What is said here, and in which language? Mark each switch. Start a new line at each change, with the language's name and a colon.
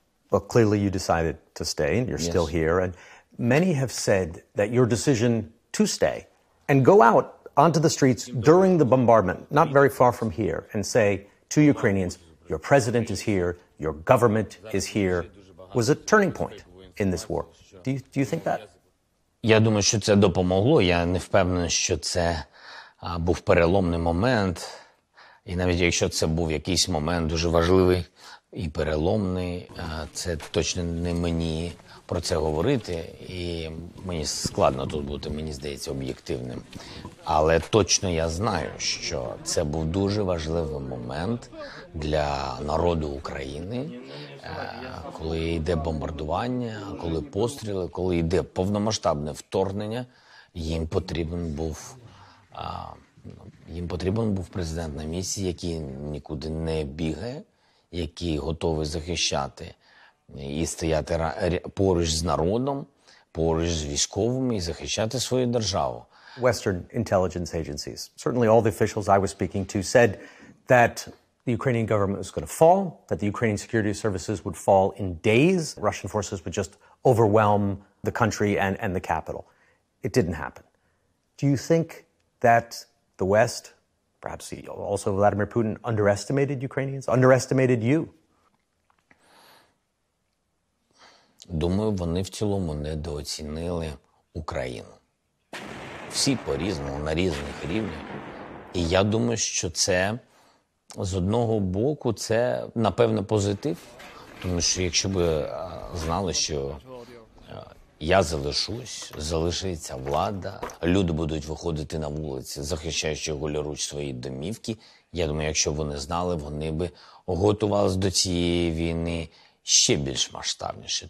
English: Well, clearly you decided to stay, and you're still here. And many have said that your decision to stay and go out onto the streets during the bombardment, not very far from here, and say to Ukrainians, your president is here, your government is here, was a turning point in this war. Do you think that?
Ukrainian: Я думаю, що це допомогло. Я не впевнений, що це був переломний момент. І навіть якщо це був якийсь момент дуже важливий і переломний, це точно не мені про це говорити, і мені складно тут бути, мені здається, об'єктивним. Але точно я знаю, що це був дуже важливий момент для народу України, коли йде бомбардування, коли постріли, коли йде повномасштабне вторгнення, їм потрібен був президент на місці, який нікуди не бігає, який готовий захищати і стояти поруч з народом, поруч з військовими, і захищати свою державу.
English: Western intelligence agencies, certainly all the officials I was speaking to, said that the Ukrainian government was going to fall, that the Ukrainian security services would fall in days, Russian forces would just overwhelm the country and the capital. It didn't happen. Do you think that the West, perhaps also Vladimir Putin, underestimated Ukrainians, underestimated you?
Ukrainian: Думаю, вони в цілому недооцінили Україну. Всі по-різному, на різних рівнях. І я думаю, що це, з одного боку, це, напевно, позитив. Тому що якщо б знали, що я залишусь, залишиться влада, люди будуть виходити на вулиці, захищаючи голіруч свої домівки, я думаю, якщо б вони знали, вони б готувалися до цієї війни ще більш масштабніше.